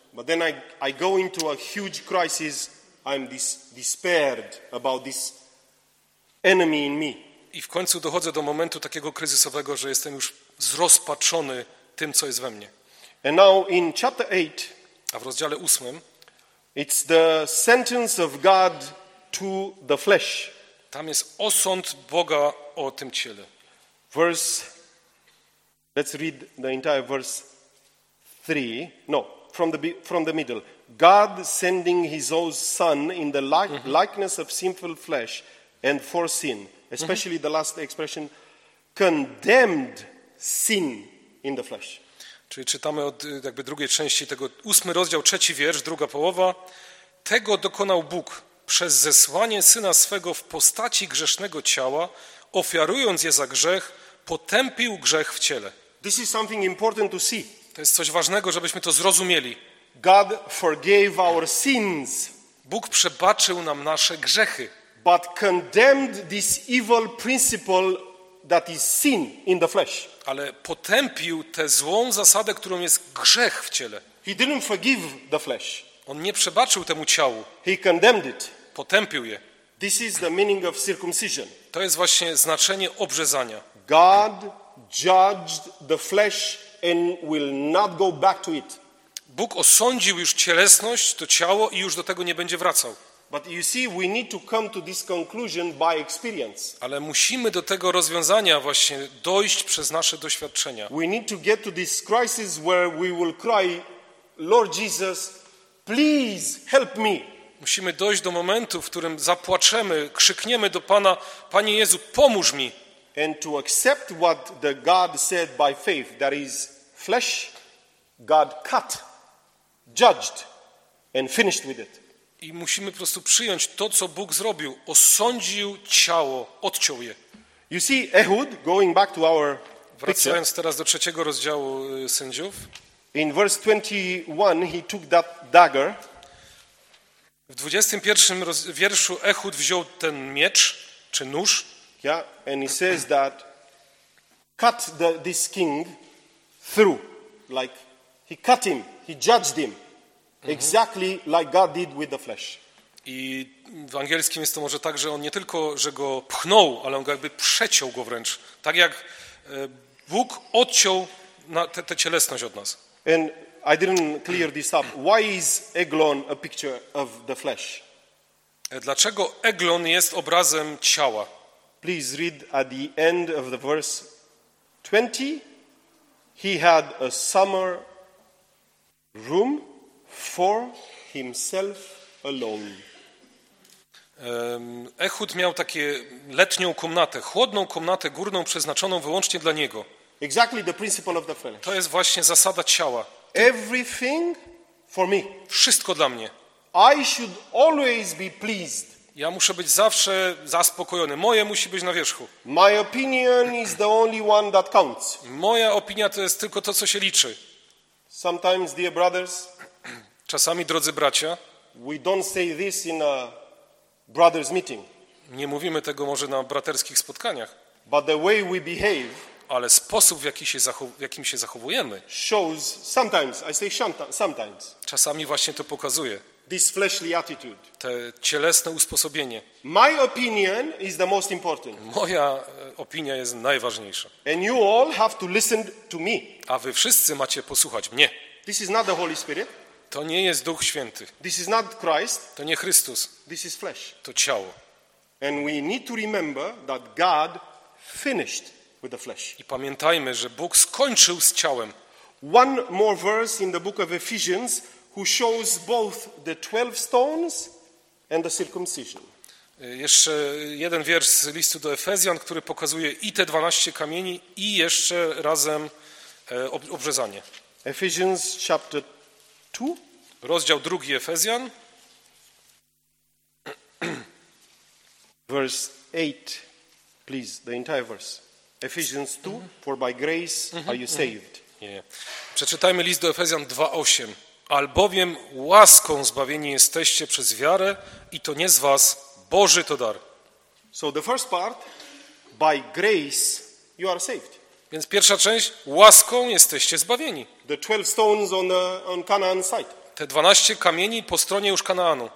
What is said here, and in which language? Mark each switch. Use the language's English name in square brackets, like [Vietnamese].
[English] But then I go into a huge crisis. I'm despaired about this enemy in me. [Polish] I w końcu dochodzę do momentu takiego kryzysowego, że jestem już zrozpaczony tym, co jest we mnie. [English] And now in chapter 8. [Polish] A w rozdziale 8. [English] It's the sentence of God to the flesh. [Polish] Tam jest osąd Boga o tym ciele. [English] Let's read the entire verse 3. No, from the middle. God sending his own son in the likeness of sinful flesh and for sin, especially the last expression, condemned sin in the flesh. [Polish] Czyli czytamy od jakby drugiej części tego, 8 rozdział, 3 wiersz, druga połowa. Tego dokonał Bóg przez zesłanie syna swego w postaci grzesznego ciała, ofiarując je za grzech, potępił grzech w ciele. [English] This is something important to see. [Polish] To jest coś ważnego, żebyśmy to zrozumieli. [English] God forgave our sins. [Polish] Bóg przebaczył nam nasze grzechy. [English] But condemned this evil principle that is sin in the flesh. [Polish] Ale potępił tę złą zasadę, którą jest grzech w ciele. [English] He didn't forgive the flesh. [Polish] On nie przebaczył temu ciału. [English] He condemned it. [Polish] Potępił je. [English] This is the meaning of circumcision. [Polish] To jest właśnie znaczenie obrzezania. [English] God judged the flesh and will not go back to it. [Polish] Bóg osądził już cielesność, to ciało i już do tego nie będzie wracał. [English] But you see, we need to come to this conclusion by experience. [Polish] Ale musimy do tego rozwiązania właśnie dojść przez nasze doświadczenia. [English] We need to get to this crisis where we will cry, Lord Jesus, please help me. [Polish] Musimy dojść do momentu, w którym zapłaczemy, krzykniemy do Pana, Panie Jezu, pomóż mi. [English] And to accept what the God said by faith, that is flesh, God cut, judged and finished with it. [Polish] I musimy po prostu przyjąć to, co Bóg zrobił. Osądził ciało, odciął je. [English] You see, Ehud, going back to our picture, [Polish] wracając teraz do trzeciego rozdziału sędziów. [English] In verse 21, he took that dagger. [Polish] W 21 wierszu Ehud wziął ten miecz, czy nóż. [English] Yeah, and he says that cut this king through. Like, he cut him, he judged him. Exactly like God did with the flesh. [Polish] I w angielskim jest to może tak, że on nie tylko, że go pchnął, ale on jakby przeciął go wręcz. Tak jak Bóg odciął tę cielesność od nas. [English] And I didn't clear this up. Why is Eglon a picture of the flesh? [Polish] Dlaczego Eglon jest obrazem ciała? [English] Please read at the end of the verse 20. He had a summer room for himself alone. [Polish] Ehud miał takie letnią komnatę, chłodną komnatę górną przeznaczoną wyłącznie dla niego. [English] Exactly the principle of the flesh. [Polish] To jest właśnie zasada ciała. [English] Everything for me. [Polish] Wszystko dla mnie. [English] I should always be pleased. [Polish] Ja muszę być zawsze zaspokojony. Moje musi być na wierzchu. [English] My opinion is the only one that counts. [Polish] Moja opinia to jest tylko to, co się liczy. [English] Sometimes, dear brothers, [Polish] czasami, drodzy bracia, [English] we don't say this in a brothers meeting. [Polish] Nie mówimy tego może na braterskich spotkaniach. [English] But the way we behave, [Polish] ale sposób, w jaki się zachowujemy, [English] shows sometimes, I say sometimes, [Polish] czasami właśnie to pokazuje. [English] This fleshly attitude. [Polish] Te cielesne usposobienie. [English] My opinion is the most important. [Polish] Moja opinia jest najważniejsza. [English] And you all have to listen to me. [Polish] A wy wszyscy macie posłuchać mnie. [English] This is not the Holy Spirit. [Polish] To nie jest Duch Święty. [English] This is not Christ. [Polish] To nie Chrystus. [English] This is flesh. [Polish] To ciało. [English] And we need to remember that God finished with the flesh. [Polish] I pamiętajmy, że Bóg skończył z ciałem. [English] One more verse in the book of Ephesians who shows both the 12 stones and the circumcision. [Polish] Jeszcze jeden wiersz z listu do Efezjan, który pokazuje i te 12 kamieni i jeszcze razem obrzezanie. [English] Ephesians chapter 2. [Polish] Rozdział 2 Efezjan. [English] Verse 8, please, the entire verse. Ephesians 2, for by grace are you saved. [Polish] Nie. Przeczytajmy list do Efezjan 2:8. Albowiem łaską zbawieni jesteście przez wiarę i to nie z was, Boży to dar. [English] So the first part, by grace you are saved. [Polish] Więc pierwsza część, łaską jesteście zbawieni. [English] The 12 stones on Canaan side. [Polish] Te 12 kamieni po stronie już Kanaanu.